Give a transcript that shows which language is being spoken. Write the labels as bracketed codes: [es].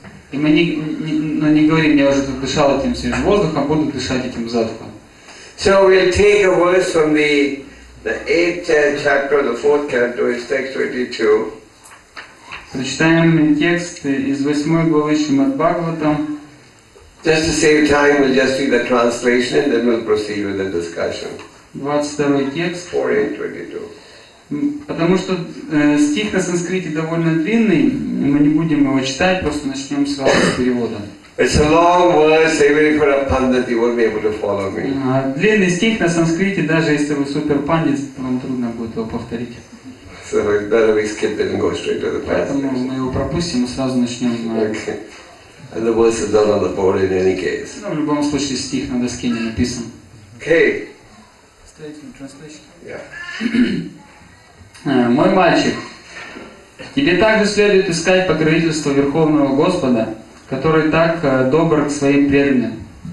[ru] И мы не говорим, я уже тут дышал этим свежим воздухом, буду дышать этим затхлым. [en] So we'll take a verse from the 8th chapter of the 4th canto, it's text 22. [ru] Прочитаем текст из 8 главы Шримад Бхагаватам. [en] Just to save time, we'll just read the translation and then we'll proceed with the discussion. [ru] 22 текст. 4, 22. Потому что стих на санскрите довольно длинный, мы не будем его читать, просто начнем сразу с перевода. [en] It's a long verse, even if you're a pundit, you won't be able to follow me. [ru] Длинный стих на санскрите, даже если вы супер пандит, вам трудно будет его повторить. [en] So better we skip it and go straight to the passage. [ru] Поэтому мы его пропустим и сразу начнем. [en] Okay. And the verse is not on the board in any case. [ru] Ну, в любом случае, стих на доске не написан. [en] Okay. Straight from translation. Yeah. [ru] Мой мальчик. Тебе также следует искать покровительство Верховного Господа, который так добр к своим преданным.